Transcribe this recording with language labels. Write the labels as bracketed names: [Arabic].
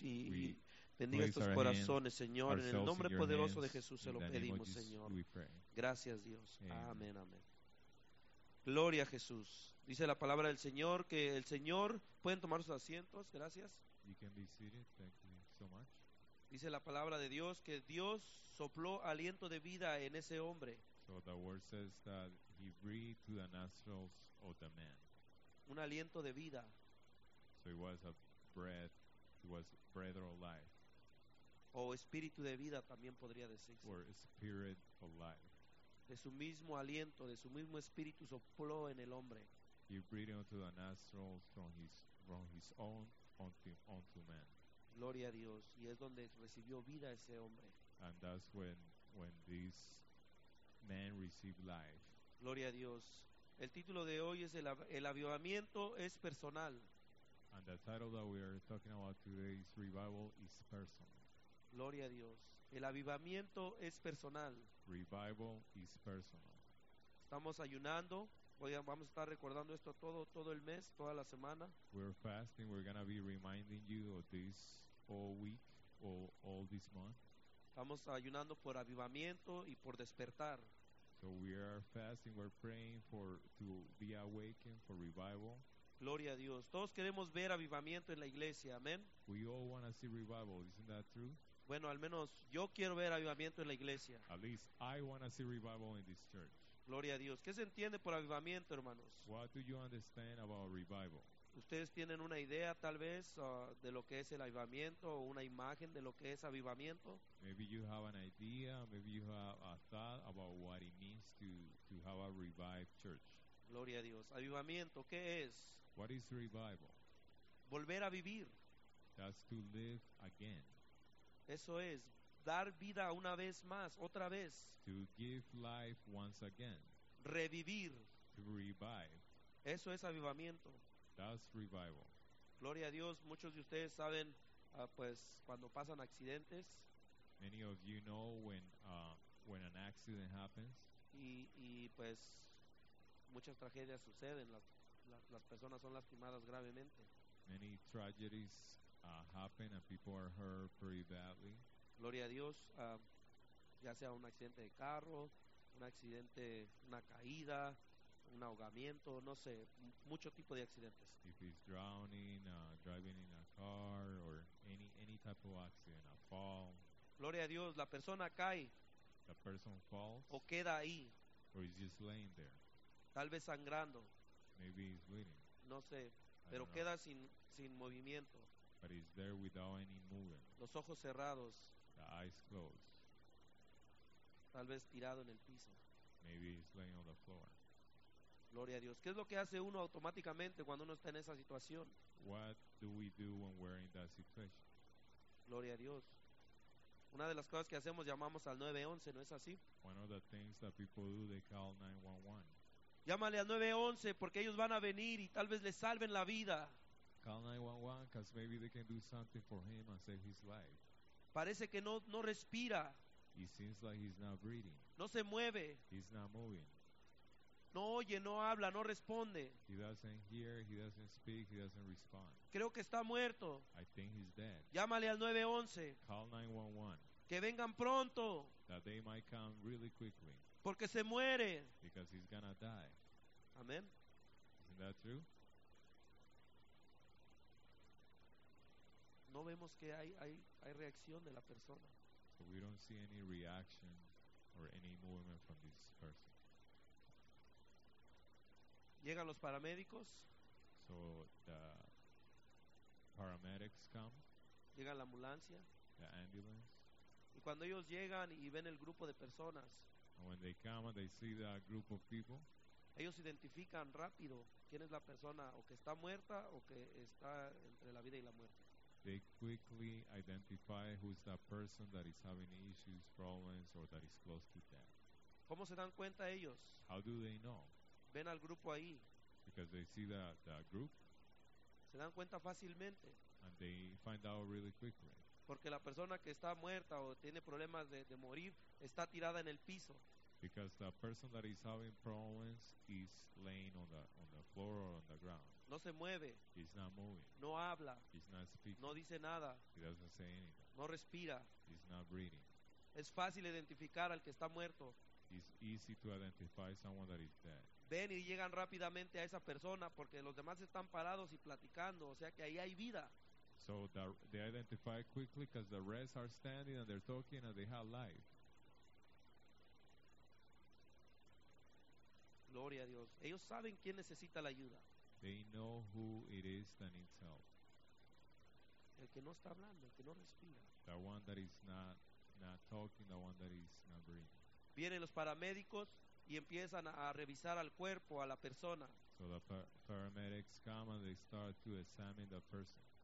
[Spanish] Y bendiga estos corazones, Señor. En el nombre poderoso de Jesús se lo pedimos, Señor. Gracias, Dios. Amén, amén. Gloria a Jesús. Dice la palabra del Señor que el Señor, pueden tomar sus asientos, gracias. [English] You can be seated. Thank you so much. [Spanish] Dice la palabra de Dios que Dios sopló aliento de vida en ese hombre. [English] So the word says that he breathed to the nostrils of the man. [Spanish] Un aliento de vida. [English] So it was a breath. It was breath of life. [Spanish] O espíritu de vida también podría decirse. [English] Or spirit of life. [Spanish] De su mismo aliento, de su mismo espíritu sopló en el hombre. [English] He breathed into the nostrils from his own. Onto man. [Spanish] Gloria a Dios, y es donde recibió vida ese hombre. [English] And that's when this man received life. [Spanish] Gloria a Dios. El título de hoy es el avivamiento es personal. [English] And the title that we are talking about today is revival is personal. [Spanish] Gloria a Dios. El avivamiento es personal. [English] Revival is personal. [Spanish] Estamos ayunando. Vamos a estar recordando esto todo el mes, toda la semana. [English] We're fasting. We're going to be reminding you of this all week, all this month. [Spanish] Estamos ayunando por avivamiento y por despertar. [English] So we are fasting. We're praying to be awakened for revival. [Spanish] Gloria a Dios. Todos queremos ver avivamiento en la iglesia. Amén. [English] We all want to see revival. Isn't that true? [Spanish] Bueno, al menos yo quiero ver avivamiento en la iglesia. [English] At least I want to see revival in this church. [Spanish] Gloria a Dios. ¿Qué se entiende por avivamiento, hermanos? [English] What do you understand about revival? [Spanish] ¿Ustedes tienen una idea, tal vez, de lo que es el avivamiento o una imagen de lo que es avivamiento? [English] Maybe you have an idea, maybe you have a thought about what it means to have a revived church. [Spanish] Gloria a Dios. ¿Avivamiento qué es? [English] What is revival? [Spanish] Volver a vivir. [English] That's to live again. [Spanish] Eso es. Dar vida una vez más, otra vez. [English] To give life once again. [Spanish] Revivir. [English] To revive. [Spanish] Eso es avivamiento. [English] That's revival. [Spanish] Gloria a Dios. Muchos de ustedes saben, pues, cuando pasan accidentes. [English] Many of you know when an accident happens. [Spanish] Y pues, muchas tragedias suceden. Las personas son lastimadas gravemente. [English] Many tragedies happen and people are hurt pretty badly. [Spanish] Gloria a Dios, ya sea un accidente de carro, un accidente, una caída, un ahogamiento, no sé, mucho tipo de accidentes. [English] If he's drowning, driving in a car, or any type of accident, a fall. [Spanish] Gloria a Dios, la persona cae. [English] The person falls. [Spanish] O queda ahí. [English] Or is just laying there. [Spanish] Tal vez sangrando. [English] Maybe he's bleeding. [Spanish] No sé, pero queda sin movimiento. [English] But he's there without any movement. [Spanish] Los ojos cerrados. [English] The eyes closed. [Spanish] Tal vez tirado en el piso. [English] Maybe he's laying on the floor. [Spanish] Gloria a Dios. ¿Qué es lo que hace uno automáticamente cuando uno está en esa situación? [English] What do we do when we're in that situation? [Spanish] Gloria a Dios. Una de las cosas que hacemos, llamamos al 911, ¿no es así? [English] One of the things that people do, they call 911. [Spanish] Llámale al 911 porque ellos van a venir y tal vez le salven la vida. [English] Call 911 because maybe they can do something for him and save his life. [Spanish] Parece que no respira. [English] He seems like he's not breathing. [Spanish] No se mueve. [English] He's not moving. [Spanish] No oye, no habla, no responde. [English] He doesn't hear, he doesn't speak, he doesn't respond. [Spanish] Creo que está muerto. [English] I think he's dead. [Spanish] Llámale al 911. [English] Call 911. [Spanish] Que vengan pronto. [English] That they might come really quickly. [Spanish] Porque se muere. [English] Because he's gonna die. [Spanish] Amen. [English] Isn't that true? [Spanish] No vemos que hay reacción de la persona. [English] So we don't see any reaction or any movement from this person. [Spanish] Llegan los paramédicos. [English] So the paramedics come. [Spanish] Llega la ambulancia. [English] The ambulance. [Spanish] Y cuando ellos llegan y ven el grupo de personas. [English] And when they come and they see that group of people. [Spanish] Ellos identifican rápido quién es la persona o que está muerta o que está entre la vida y la muerte. [English] They quickly identify who's that person that is having issues, problems, or that is close to death. [Spanish] ¿Cómo se dan cuenta ellos? [English] How do they know? [Spanish] Ven al grupo ahí. [English] Because they see the group. [Spanish] Se dan cuenta fácilmente. [English] And they find out really quickly. [Spanish] Porque la persona que está muerta o tiene problemas de morir está tirada en el piso. [English] Because the person that is having problems is laying on the floor or on the ground. [Spanish] No se mueve. [English] He's not moving. [Spanish] No habla. [English] He's not speaking. [Spanish] No dice nada. [English] He doesn't say anything. [Spanish] No respira. [English] He's not breathing. [Spanish] Es fácil identificar al que está muerto. [English] It's easy to identify someone that is dead. [Spanish] Ven y llegan rápidamente a esa persona porque los demás están parados y platicando, o sea que ahí hay vida. [English] So they identify quickly because the rest are standing and they're talking and they have life. [Spanish] Gloria a Dios. Ellos saben quién necesita la ayuda. [English] They know who it is that needs help. [Spanish] El que no está hablando, el que no respira. [English] The one that is not talking, the one that is not breathing. [Spanish] Vienen los paramédicos y empiezan a revisar al cuerpo, a la persona. [English] So the paramedics come and they start to examine the person.